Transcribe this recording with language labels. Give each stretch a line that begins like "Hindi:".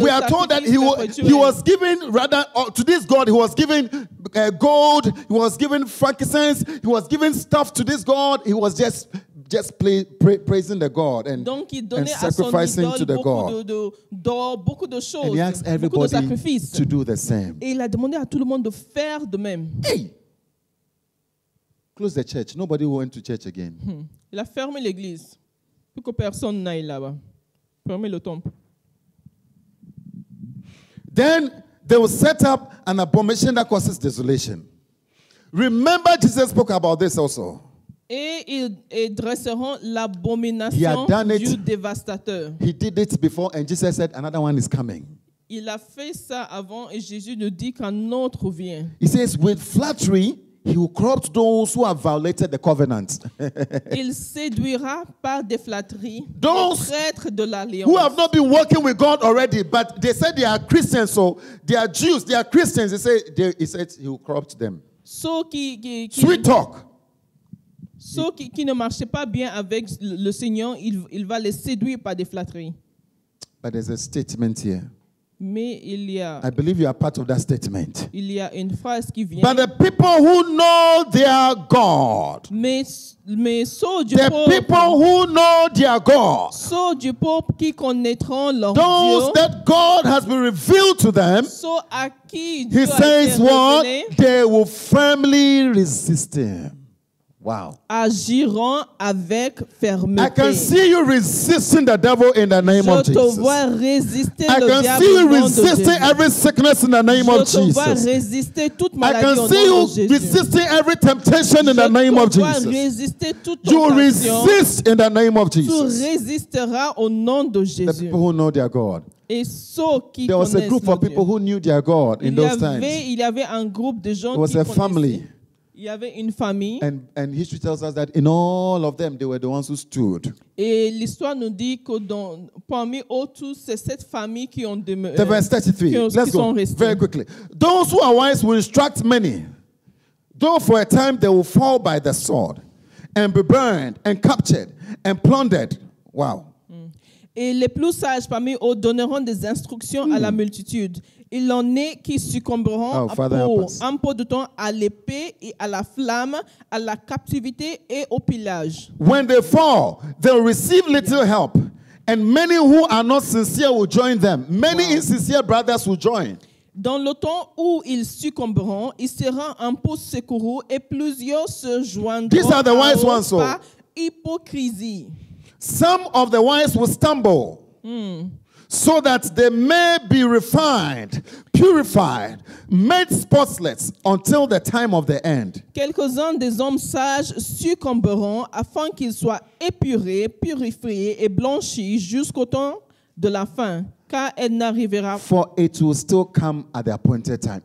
English: we are told that he was given gold, he was given frankincense, he was given stuff to this God, he was just praising the God and sacrificing
French: son idole
English: to the God.
French: Beaucoup de choses,
English: and he asked everybody to do the same.
French: Et il a demandé à tout le monde de faire de même.
English: Hey! Close the church. Nobody went to church again.
French: Il a fermé l'église. Plus que personne n'aille là-bas. Fermez le temple.
English: Then they will set up an abomination that causes desolation. Remember, Jesus spoke about this also.
French: Et ils dresseront l'abomination du dévastateur.
English: He did it before, and Jesus said, another one is coming.
French: Il a fait ça avant, et Jésus nous dit qu'un autre vient.
English: He says, with flattery, he will corrupt those who have violated the covenant.
French: Il séduira par des flatteries les traîtres de l'alliance.
English: Who have not been working with God already, but they said they are Christians, so they are Jews, they are Christians. He said he will corrupt them. Sweet talk.
French: Ceux qui ne marchaient pas bien avec le Seigneur, il va les séduire par des flatteries.
English: But there's a statement here. I believe you are part of that statement.
French: Il y a une phrase qui vient.
English: But the people who know their God.
French: Mais
English: the people who know their God.
French: Ceux du peuple qui connaîtront leur Dieu.
English: Those that God has been revealed to them.
French: Ceux à qui
English: Dieu He
French: a
English: says
French: été
English: what?
French: Revelé,
English: they will firmly resist him. Wow.
French: Agiront avec fermeté.
English: I can see you resisting the devil in the name of Jesus.
French: Je te vois résister le diable.
English: I can see you resisting every sickness in the name of Jesus.
French: Je te vois résister toute maladie.
English: I can see you resisting every temptation in the name of Jesus.
French: Je te vois résister toute
English: tentation. You resist in the name of Jesus.
French: Tu résisteras au nom de Jésus.
English: The people who know their God. There was a group of people who knew their God in those times.
French: Il y avait un groupe de gens.
English: It was a family.
French: Il y avait une famille.
English: And history tells us that in all of them, they were the ones who stood.
French: Et l'histoire nous dit que dans, parmi eux tous, c'est cette famille qui ont demeuré.
English: The verse 33. Let's go very quickly. Those who are wise will instruct many, though for a time they will fall by the sword, and be burned, and captured, and plundered. Wow.
French: Et les plus sages parmi eux donneront des instructions à la multitude. Il en est qui succomberont un peu de temps à l'épée et à la flamme, à la captivité et au pillage.
English: When they fall, they'll receive little help, and many who are not sincere will join them. Many insincere brothers will join.
French: Dans le temps où ils succomberont, ils seront un peu secourus et plusieurs se joindront.
English: These are the wise ones, so.
French: Hypocrisie.
English: Some of the wise will stumble. So that they may be refined, purified, made spotless until the time of the end.
French: Quelques-uns des hommes sages succomberont afin qu'ils soient épurés, purifiés et blanchis jusqu'au temps de la fin, car elle n'arrivera.
English: For it will still come at the appointed time.